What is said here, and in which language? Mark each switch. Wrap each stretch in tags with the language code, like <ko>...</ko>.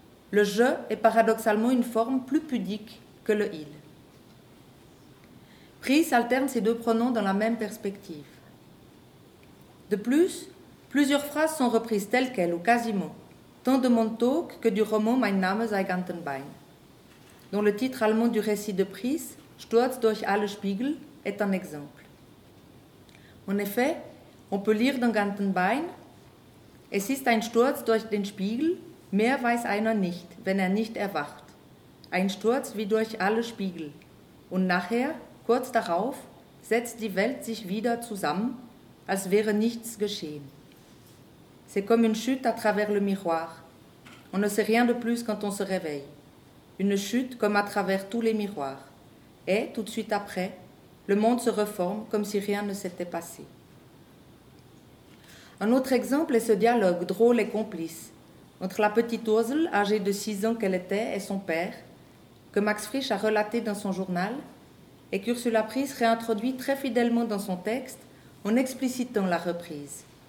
<fr>Le je est paradoxalement une forme plus pudique que le il. » Prisse alterne ces deux pronoms dans la même perspective. De plus, plusieurs phrases sont reprises telles quelles ou quasiment, tant de Montauk que du roman « Mein Name sei Gantenbein ». Dont le titre allemand du récit de Prisse, Sturz durch alle Spiegel, est un exemple. En effet, on peut lire dans Gantenbein,</fr> <de>Es ist ein Sturz durch den Spiegel, mehr weiß einer nicht, wenn nicht erwacht. ein Sturz wie durch alle Spiegel. Und nachher, kurz darauf, setzt die Welt sich wieder zusammen, als wäre nichts geschehen.</de> <fr>C'est comme une chute à travers le miroir. On ne sait rien de plus quand on se réveille. Une chute comme à travers tous les miroirs. Et, tout de suite après, le monde se reforme comme si rien ne s'était passé. Un autre exemple est ce dialogue drôle et complice entre la petite Ursel, âgée de 6 ans qu'elle était, et son père, que Max Frisch a relaté dans son journal et qu'Ursula Prisse réintroduit très fidèlement dans son texte en explicitant la reprise.</fr>